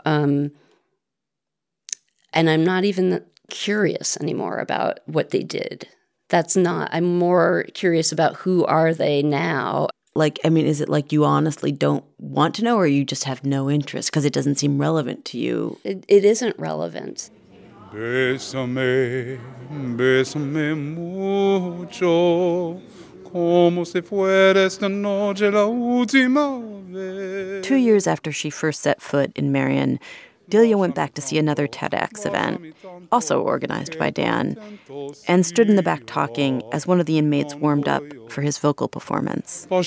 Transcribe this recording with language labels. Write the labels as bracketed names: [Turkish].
[English] And I'm not even curious anymore about what they did. I'm more curious about who are they now. Like, I mean, is it like you honestly don't want to know, or you just have no interest because it doesn't seem relevant to you? It isn't relevant. [Spanish] Bésame, bésame mucho, como si fuera esta noche la última vez. [English] 2 years after she first set foot in Marion, Delia went back to see another TEDx event, also organized by Dan, and stood in the back talking as one of the inmates warmed up for his vocal performance.